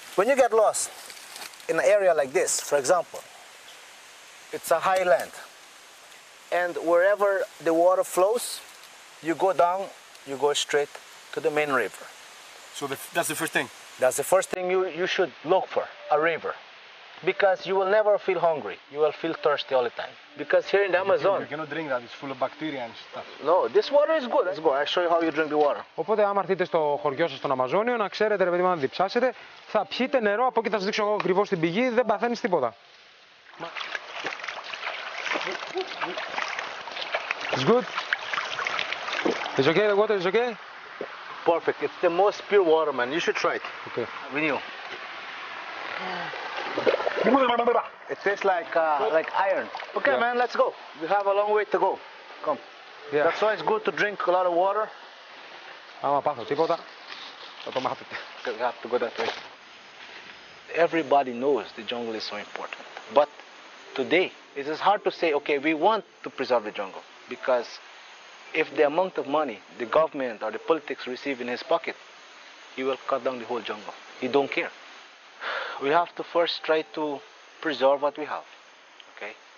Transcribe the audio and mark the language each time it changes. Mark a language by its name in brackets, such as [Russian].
[English] When you get lost in an area like this, for example, it's a highland, and wherever the water flows, you go down, you go straight to the main river. So that's the first thing? That's the first thing you should look for, a river. Because you will never feel hungry. You will feel thirsty all the time. Because here in the Amazon... You cannot drink that, it's full of bacteria and stuff. No, this water is good. Let's go, I'll show you how you drink the water. [Greek] Οπότε, άμα έρθετε στο χωριό σας στον Αμαζόνιο, να ξέρετε, ρε παιδί μου, αν διψάσετε, θα πιείτε νερό, από εκεί θα σας δείξω εγώ ακριβώς την πηγή, δεν παθαίνεις τίποτα. [English] It's good. It's okay, the water is okay? Perfect. It's the most pure water, man. You should try it. Okay. With you. It tastes like iron. Okay, yeah. Man, let's go. We have a long way to go. Come. Yeah. That's why it's good to drink a lot of water. [Greek] Άμα πάθω τίποτα, θα το μάθετε. [English] We have to go that way. Everybody knows the jungle is so important. But today, it is hard to say, okay, we want to preserve the jungle. Because if the amount of money the government or the politics receive in his pocket, he will cut down the whole jungle. He don't care. We have to first try to preserve what we have. Okay?